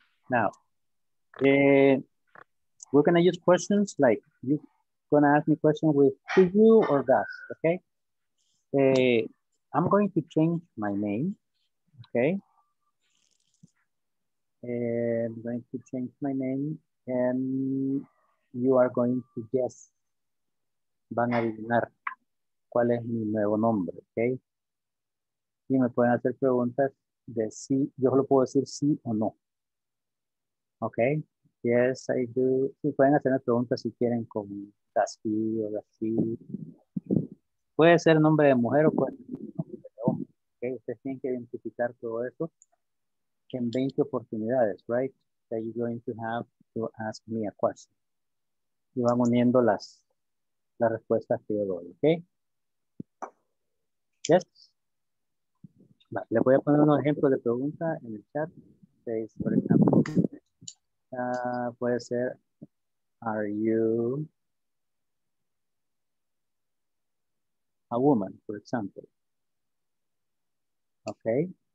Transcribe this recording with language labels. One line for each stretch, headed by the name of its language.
English: Now, we're going to use questions like you're going to ask me questions with to you or that, okay? I'm going to change my name, okay? I'm going to change my name and you are going to guess.
Spanish: Van a adivinar cuál es mi nuevo nombre, ok? Y me pueden hacer preguntas de si, yo solo puedo decir sí o no.
English: Ok, yes, I do.
Spanish: Y pueden hacerme preguntas si quieren con así o así. Puede ser nombre de mujer o puede ser nombre de hombre. Okay? Ustedes tienen que identificar todo eso. En 20 oportunidades, right?
English: That you're going to have to ask me a question.
Spanish: Y van uniendo las respuestas que yo doy, ¿ok? Yes. Va, le voy a poner un ejemplo de pregunta en el chat.
English: Says,
Spanish: por ejemplo, puede ser,
English: are you a woman, for example? Okay.